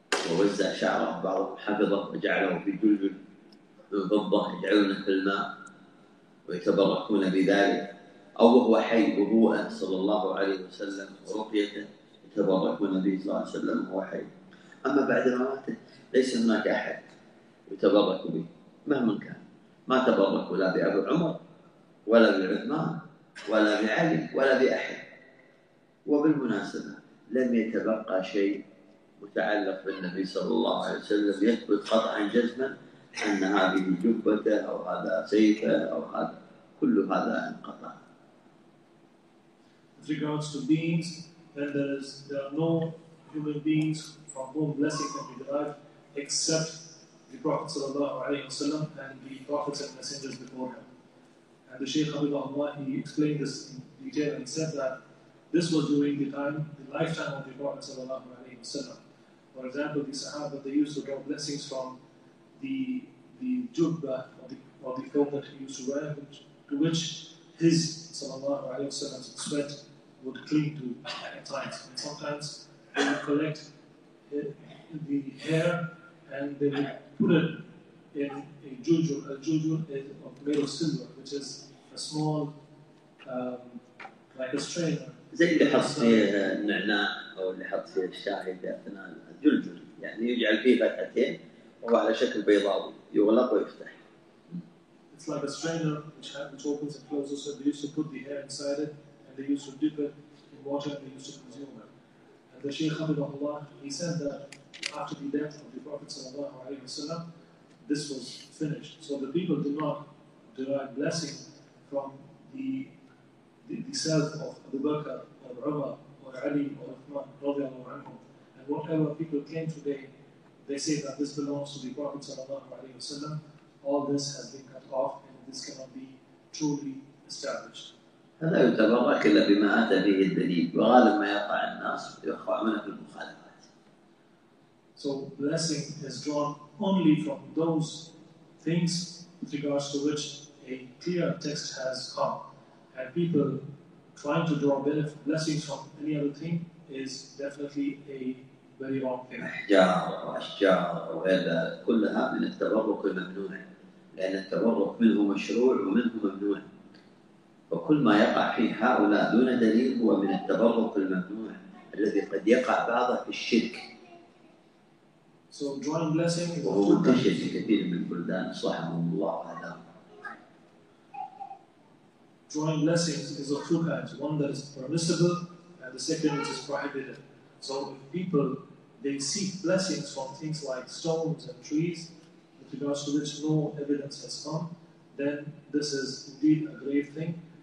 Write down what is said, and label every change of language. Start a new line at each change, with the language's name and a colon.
Arabic: ووزع شعره بعضهم حفظه وجعله في جلجل من فضة يجعلونه في الماء ويتبركون بذلك أو هو حي وهو صلى الله عليه وسلم ورقيته يتبرك والنبي صلى الله عليه وسلم هو حي أما بعد مماته ليس هناك أحد يتبرك به مهما كان ما تبرك ولا بأبو عمر ولا بعثمان ولا بعلي ولا بأحد وبالمناسبة لم يتبقى شيء متعلق بالنبي صلى الله عليه وسلم يثبت قطعا جزما أن هذه جبته أو هذا سيفه أو هذا كل هذا انقطع.
English: With regards to beings, then there are no human beings from whom blessing can be derived except the Prophet sallallahu alayhi wa sallam and the Prophets and Messengers before him. And the Shaykh Habibullah, he explained this in detail and said that this was during the time, the lifetime of the Prophet sallallahu alayhi wa sallam. For example, the Sahaba, they used to draw blessings from the jubba or the cloak that he used to wear, to which his sallallahu alayhi wa sallam's sweat would cling to at times. And sometimes they would collect the hair and they would put it in a juju. A juju is of made of silver, which is a small, like a strainer.
Arabic: زي اللي حط فيه النعناع أو اللي حط فيه الشاي بأثناء الجلجل يعني يجعل فيه فتحتين وهو على شكل بيضاوي يغلق ويفتح.
English: It's like a strainer which opens and closes. So they used to put the hair inside it and they used to dip it in water and they used to consume it. And the Sheikh Hamid Allah, he said that after the death of the Prophet sallallahu alaihi wasallam, this was finished. So the people did not derive blessing from the self of Abu Bakr or Umar or Ali or Uthman radiallahu anhum. And whatever people claim today, they say that this belongs to the Prophet sallallahu alaihi wasallam. All this has been cut off and this cannot be truly established.
Arabic: هذا يتبرك إلا بما أتى به الدليل وغالب ما يقع الناس يخوضون في المخالفات.
English: So blessing is drawn only from those things with regards to which a clear text has come. And people trying to draw blessings from any other thing is definitely a very wrong thing.
Arabic: أحجار وأشجار وهذا كلها من التبرك الممنوع لأن التبرك منه مشروع ومنه ممنوع. وكل ما يقع في هؤلاء دون دليل هو من التبرك الممنوع الذي قد يقع بعضه في الشرك.
English: So drawing blessing is
Arabic: وهو منتشر في كثير من البلدان صلحهم الله وهداهم.
English: Drawing blessings is of two kinds, one that is permissible and the second which is prohibited. So if people they seek blessings from things like stones and trees with regards to which no evidence has come, then this is indeed a grave thing.